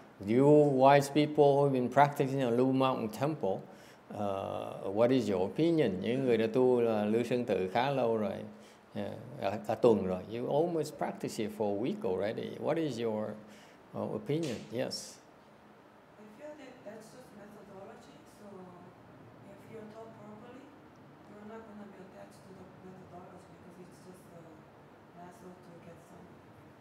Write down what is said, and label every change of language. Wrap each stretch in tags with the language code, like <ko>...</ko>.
<en>You wise people who have been practicing at Blue Mountain Temple, what is your opinion?</en> <vi>Những người đã tu là lưu sơn tự khá lâu rồi, cả tuần rồi.</vi> <en>You almost practice it for a week already. What is your opinion? Yes. I feel that that's just methodology. So if you're taught properly, you're not going to be attached to the methodology because it's just a method to get something.</en>